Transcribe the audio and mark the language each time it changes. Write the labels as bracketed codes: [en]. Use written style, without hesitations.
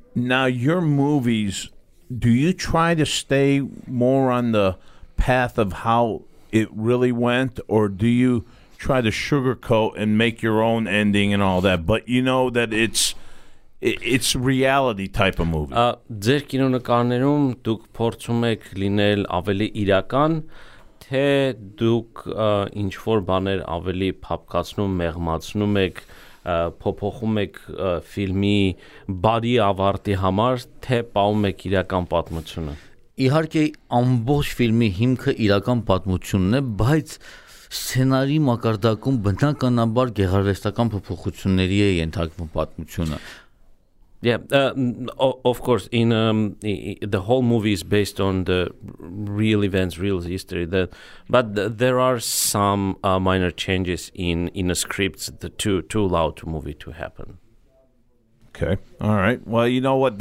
[en] Now, your movies, do you try to stay more on the path of how it really went, or do you try to sugarcoat and make your own ending and all that? But you know that it's reality type of movie. [hy] Ձեր կինոնկարներում դուք փորձում եք լինել ավելի իրական, թե դուք ինչ-որ բաներ ավելի փափկացնում, մեղմացնում եք, փոփոխում եք ֆիլմի բարի ավարտի համար, թե պահում եք իրական պատմությունը? Իհարկե, ամբողջ ֆիլմի հիմքը իրական պատմությունն է, բայց սցենարի մակարդակում բնականաբար գեղարվեստական փոփոխությունների է ենթարկվում պատմությունը. [en] Yeah, of course. The whole movie is based on the real events, real history. But there are some minor changes in the scripts. To allow the movie to happen. Okay. All right. Well, you know what?